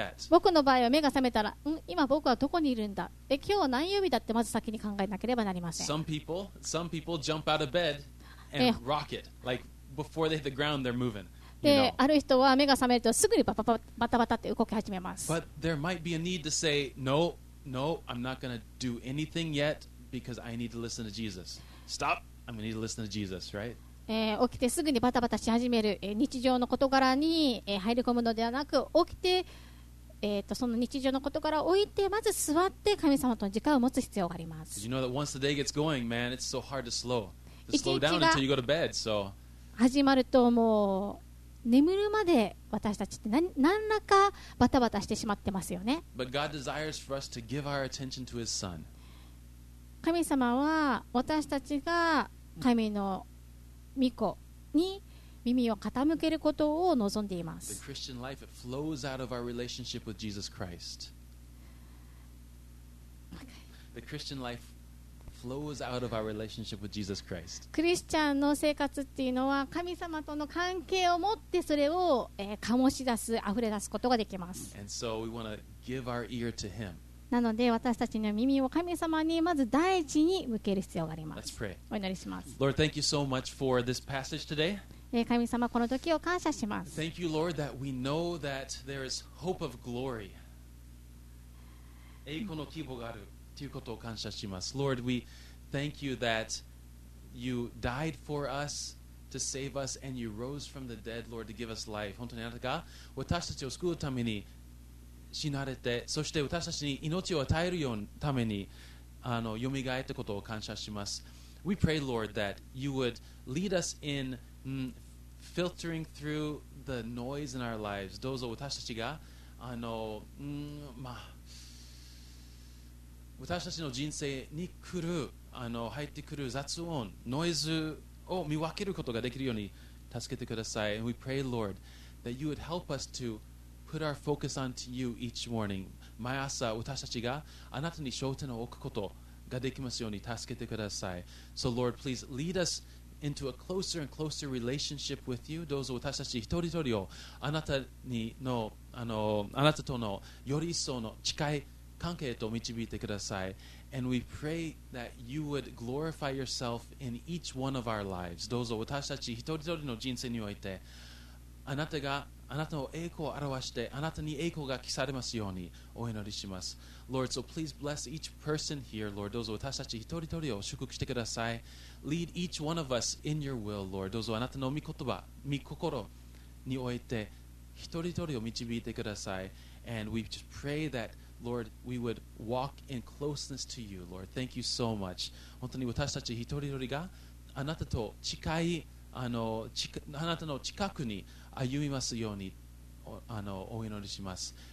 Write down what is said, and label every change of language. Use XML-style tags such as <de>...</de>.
<ja>僕の場合は目が覚めたら、今僕はどこにいるんだ、今日は何曜日だってまず先に考えなければなりません。</ja> <en>Some people jump out of bed and rock it. Like before they hit the ground, they're moving.</en> <ja>で、ある人は目が覚めるとすぐにバタバタって動き始めます。</ja> <en>But there might be a need to say No, no, I'm not going to do anything yetBecause I need to listen to Jesus. Stop. I'm gonna need to listen to Jesus, right?</en> <ja>起きてすぐにバタバタし始める、日常の事柄に、入り込むのではなく、起きて、その日常の事柄を置いてまず座って神様との時間を持つ必要があります。</ja> <en>You know that once the day gets going, man, it's so hard to slow down until you go to bed. So</en> <ja>始まるともう。眠るまで私たちって 何らかバタバタしてしまってますよね。</ja> <en>But God desires for us to give our attention to His Son.</en> <ja>神様は私たちが神の御子に耳を傾けることを望んでいます。</ja> <en>The Christian life flows out of our relationship with Jesus Christ. The Christian life flows out of our relationship with Jesus Christ.</en> <ja>クリスチャンの生活っていうのは神様との関係を持ってそれを、醸し出す、溢れ出すことができます。</ja> <en>And so we want to give our ear to Him.</en> <ja>なので私たちの耳を神様にまず第一に向ける必要があります。</ja> <en>Let's pray.</en> <ja>お祈りします。</ja> <en>Lord, thank you so much for this passage today.</en> <ja>神様この時を感謝します。</ja> <en>Thank you, Lord, that we know that there is hope of glory.</en> <ja>栄光の希望があるということを感謝します。</ja> <en>Lord, we thank you that you died for us to save us and you rose from the dead, Lord, to give us life.</en> <ja>本当にあなたが私たちを救うために死なれて、そして私たちに命を与えるようなためによみがえったことを感謝します。</ja> <en>We pray, Lord, that you would lead us infiltering through the noise in our lives.</en> <ja>どうぞ私たちが私たちの人生に来る入ってくる雑音、ノイズを見分けることができるように助けてください。</ja> <en>And we pray, Lord, that you would help us to put our focus onto you each morning.</en> <ja>毎朝私たちがあなたに焦点を置くことができますように助けてください。</ja> <en>So Lord, please lead us. into a closer and closer relationship with you.</en> <ja>どうぞ私たち一人一人をあなたにの、あなたとのより一層の近い関係へと導いてください。</ja> <en>And we pray that you would glorify yourself in each one of our lives.</en> <ja>どうぞ私たち一人一人の人生において、あなたがあなたの栄光を表して、あなたに栄光が帰されますようにお祈りします。</ja> <en>Lord, so please bless each person here, Lord.</en> <ja>どうぞ私たち一人一人を祝福してください。</ja> <en>Lead each one of us in your will, Lord.</en> <ja>どうぞあなたの御言葉、御心において一人一人を導いてください。</ja> <en>And we just pray that, Lord, we would walk in closeness to you, Lord. Thank you so much.</en> <ja>本当に私たち一人一人があなたと近い、あなたの近くに歩みますように お祈りします。</ja>